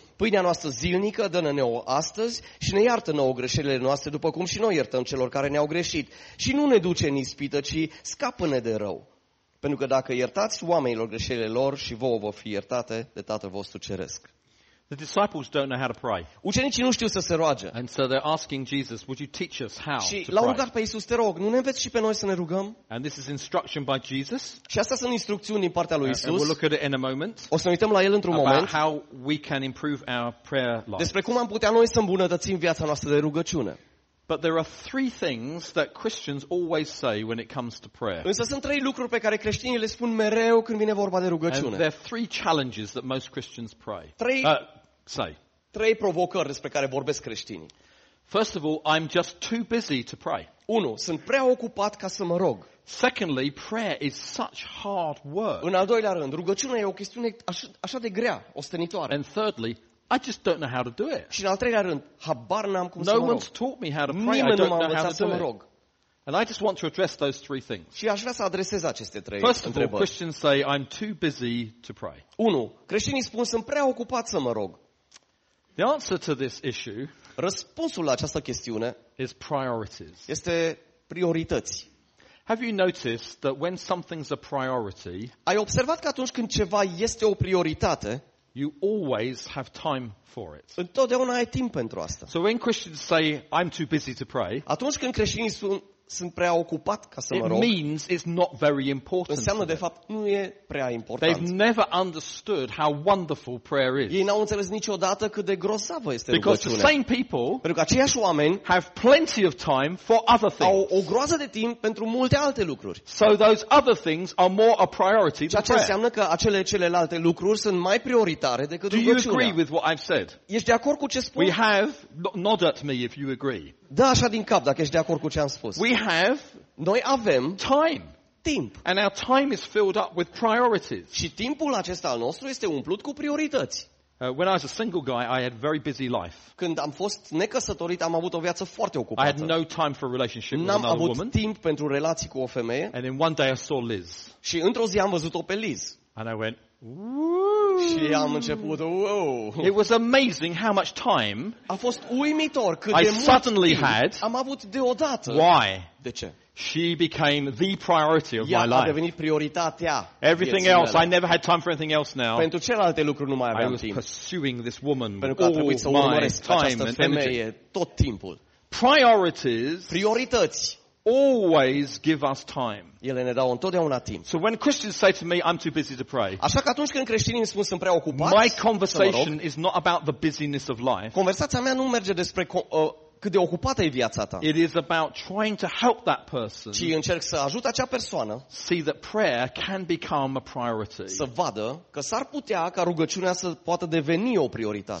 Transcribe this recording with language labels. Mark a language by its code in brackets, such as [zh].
[ro] Pâinea noastră zilnică, dă-ne nouă astăzi și ne iartă nouă greșelile noastre, după cum și noi iertăm celor care ne-au greșit. Și nu ne duce în ispită, ci scapă-ne de rău. Pentru că dacă iertați oamenilor greșelile lor și vouă vor fi iertate de Tatăl vostru ceresc. [en] The disciples don't know how to pray. [ro] Ucenicii nu știu să se roage. [en] And so they're asking Jesus, would you teach us how to pray? [ro] Și l-au rugat pe Iisus, te rog, nu ne înveți și pe noi să ne rugăm? [en] And this is instruction by Jesus. [ro] Și astea sunt instrucțiuni din partea lui Iisus. [en] And we'll look at it in a moment. [ro] O să ne uităm la el într-un moment. [en] About how we can improve our prayer life. [ro] Despre cum am putea noi să îmbunătățim viața noastră de rugăciune. [en] But there are three things that Christians always say when it comes to prayer. [ro] Însă sunt trei lucruri pe care creștinii le spun mereu când vine vorba de rugăciune. [en] And there are three challenges that most Christians pray. [ro] Trei provocări despre care vorbesc creștinii. [en] First of all, I'm just too busy to pray. [ro] Unu, sunt prea ocupat ca să mă rog. [en] Secondly, prayer is such hard work. [ro] În al doilea rând, rugăciunea e o chestiune așa de grea, ostenitoare. [en] And thirdly, I just don't know how to do it. [ro] Și în al treilea rând, habar n-am cum no să mă rog. [en] No one's taught me how to pray. [ro] Nimeni nu m-a învățat să mă rog. [en] And I just want to address those three things. [ro] Și aș vrea să adresez aceste trei întrebări. [en] First of all, Christians say I'm too busy to pray. [ro] Unu, creștinii spun sunt prea ocupat să mă rog. [en] The answer to this issue, [ro] răspunsul la această chestiune, [en] is priorities. [ro] Este priorități. [en] Have you noticed that when something's a priority, [ro] ai observat că atunci când ceva este o prioritate, [en] you always have time for it. [ro] Întotdeauna ai timp pentru asta. [en] So when Christians say I'm too busy to pray, [ro] atunci când creștinii spun sunt prea ocupat ca să mă rog, [en] it means it's not very important. [ro] Înseamnă de fapt nu e prea important. [en] They've never understood how wonderful prayer is. [ro] Ei n-au înțeles niciodată cât de grosavă este [en] because [ro] rugăciunea. [en] The same people, [ro] pentru că aceiași oameni, [en] have plenty of time for other things. [ro] Au o groază de timp pentru multe alte lucruri. [en] So those other things are more a priority than prayer. [ro] Înseamnă că acele celelalte lucruri sunt mai prioritare decât rugăciunea. [en] Do you agree with what I've said? [ro] Ești de acord cu ce spun? [en] We have nod at me if you agree. [ro] Da așa din cap dacă ești de acord cu ce am spus. [en] We have [ro] noi avem [en] time. [ro] Timp. [en] And our time is filled up with priorities. [ro] Și timpul acesta al nostru este umplut cu priorități. [en] When I was a single guy, I had a very busy life. [ro] Când am fost necăsătorit, am avut o viață foarte ocupată. [en] I had no time for a relationship [ro] n-am [en] with another woman. [ro] N-am avut timp pentru relații cu o femeie. [en] And in one day I saw Liz. [ro] Și într-o zi am văzut-o pe Liz. [en] And I went, [ro] și am început, [en] it was amazing how much time [ro] a fost uimitor cât [en] I suddenly had. [ro] Am avut deodată. [en] Why? [ro] De ce? [en] She became the priority of my life. [ro] A devenit prioritatea. [en] Everything else, I never had time for anything else now. [ro] Pentru celelalte lucruri nu mai aveam timp. [en] I was pursuing this woman [ro] pentru că [en] all [ro] a trebuit să urmăresc [en] time [ro] această femeie tot timpul. [en] Priorities. [ro] Priorități. [en] Always give us time. [ro] Ele ne dau întotdeauna timp. [en] So when Christians say to me, I'm too busy to pray. [ro] Așa că atunci când creștinii îmi spun sunt prea ocupat. [en] My conversation is not about the busyness of life. [ro] Conversația mea nu merge despre cât de ocupată e viața ta. [en] It is about trying to help that person. [ro] Ci încerc să ajut acea persoană. [en] See that prayer can become a priority. [ro] Să vadă că s-ar putea ca rugăciunea să poată deveni o prioritate.